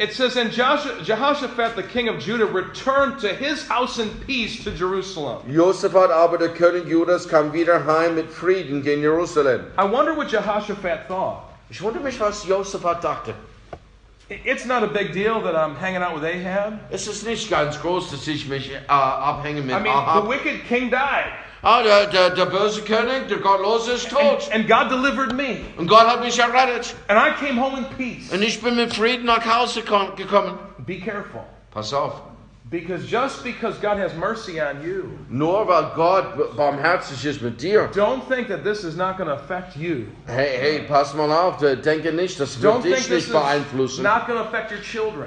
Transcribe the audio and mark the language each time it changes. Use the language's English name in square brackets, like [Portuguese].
[English] it says, and Jehoshaphat, the king of Judah, returned to his house in peace to Jerusalem. [German] Jehoshaphat, aber der König Judas, kam wieder heim mit Frieden gegen Jerusalem. [English] I wonder what Jehoshaphat thought. [German] Ich wundere mich, was Jehoshaphat dachte. [English] It's not a big deal that I'm hanging out with Ahab. [German] Es ist nicht ganz groß, dass ich mich abhänge mit [English] Ahab. I mean, [German] Ahab. [English] The wicked king died. [German] Ah, der böse König, der Gottlose ist tot. [English] And God delivered me. [German] Und Gott hat mich errettet. [English] And I came home in peace. [German] Und ich bin mit Frieden nach Hause gekommen. [English] Be careful. [German] Pass auf. [English] Because just because God has mercy on you. [German] Nur weil Gott barmherzig ist mit dir. [English] Don't think that this is not going to affect you. [German] Hey, pass mal auf. Denke nicht, dass [English] don't [German] dich nicht [English] this [German] beeinflussen. [English] Don't think this is not going to affect your children.